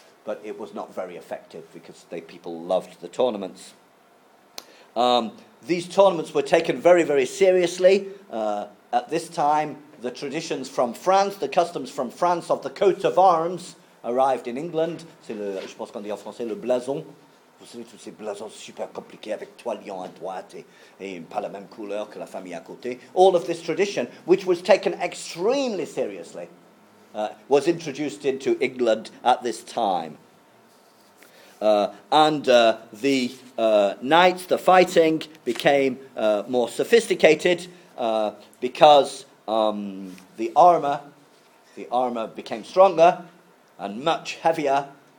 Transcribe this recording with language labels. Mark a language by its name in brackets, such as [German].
[English] But it was not very effective because people loved the tournaments. These tournaments were taken very, very seriously. At this time, the traditions from France, the customs from France of the coat of arms arrived in England. [French] Je pense qu'on dit en français le blason. Vous savez tous ces blasons super compliqués avec trois lions à droite et pas la même couleur que la famille à côté. [English] All of this tradition, which was taken extremely seriously, was introduced into England at this time. And the knights, the fighting, became more sophisticated because the armor became stronger and much heavier.